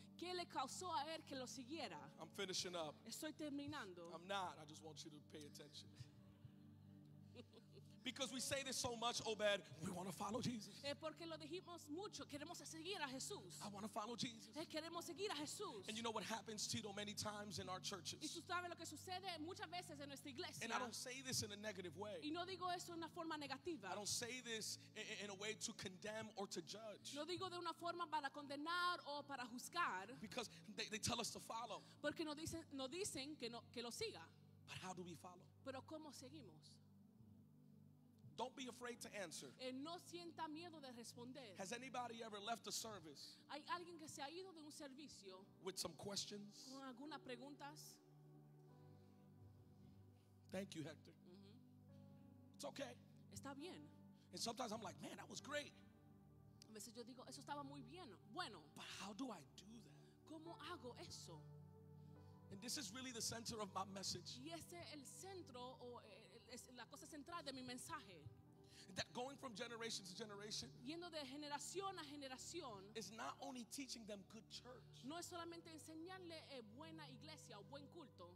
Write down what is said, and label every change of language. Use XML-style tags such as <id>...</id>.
<es>¿Qué le causó a él que lo siguiera?</es> <en>I'm finishing up.</en> <es>Estoy terminando.</es> <en>I'm not. I just want you to pay attention. Because we say this so much, Obed, we want to follow Jesus.</en> <es>Porque lo dijimos mucho, queremos seguir a Jesús.</es> <en>I want to follow Jesus.</en> <es>Queremos seguir a Jesús.</es> <en>And you know what happens, Tito, many times in our churches.</en> <es>Y tú sabes lo que sucede muchas veces en nuestra iglesia.</es> <en>And I don't say this in a negative way.</en> <es>Y no digo eso en una forma negativa.</es> <en>I don't say this in a way to condemn or to judge.</en> <es>No digo de una forma para condenar o para juzgar.</es> <en>Because they tell us to follow.</en> <es>Porque nos dicen que lo siga.</es> <en>But how do we follow?</en> <es>Pero cómo seguimos.</es> <en>Don't be afraid to answer.</en> <es>No sienta miedo de responder.</es> <en>Has anybody ever left a service?</en> <es>¿Hay alguien que se ha ido de un servicio?</es> <en>With some questions?</en> <es>¿Con algunas preguntas?</es> <en>Thank you, Hector. Mm-hmm. It's okay.</en> <es>Está bien.</es> <en>And sometimes I'm like, man, that was great.</en> <es>A veces yo digo, eso estaba muy bien. Bueno.</es> <en>But how do I do that?</en> <es>¿Cómo hago eso?</es> <en>And this is really the center of my message.</en> <es>Y ese el centro o la cosa central de mi mensaje.</es> <en>That going from generation to generation,</en> <es>yendo de generación a generación, is not only teaching them good church. No es solamente enseñarle buena iglesia o buen culto.</es>